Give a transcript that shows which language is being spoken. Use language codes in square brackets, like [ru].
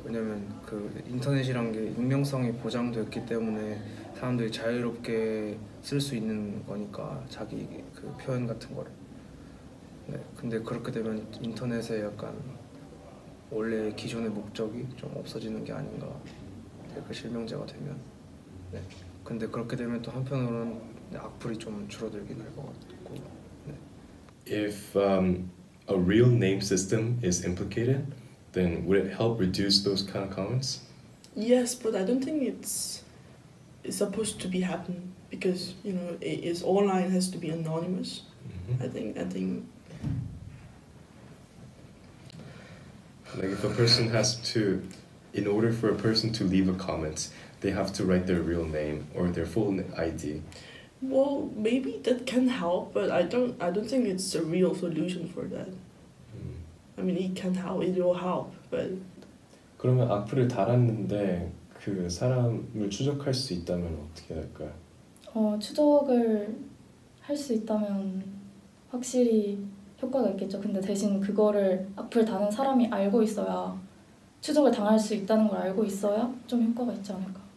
[ko] 왜냐면 그 인터넷이란 게 익명성이 보장됐기 때문에 사람들이 자유롭게 쓸 수 있는 거니까 자기 그 표현 같은 거를. 네, 근데 그렇게 되면 인터넷에 약간 원래 기존의 목적이 좀 없어지는 게 아닌가. 댓글 실명제가 되면. 네. 근데 그렇게 되면 또 한편으로는 악플이 좀 줄어들긴 할 것 같고. 네. [en] If a real name system is implicated, then would it help reduce those kind of comments? Yes, but I don't think it's supposed to be happen because you know it's online has to be anonymous. Mm-hmm. I think. Like if a person has to, in order for a person to leave a comment. They have to write their real name or their full ID. Well, maybe that can help, but I don't think it's a real solution for that. Mm. I mean, it can help. It will help, but. [ko] 그러면 악플을 달았는데 그 사람을 추적할 수 있다면 어떻게 될까요? 추적을 할 수 있다면 확실히 효과가 있겠죠. 근데 대신 그거를 악플 다는 사람이 알고 있어야 추적을 당할 수 있다는 걸 알고 있어야 좀 효과가 있지 않을까.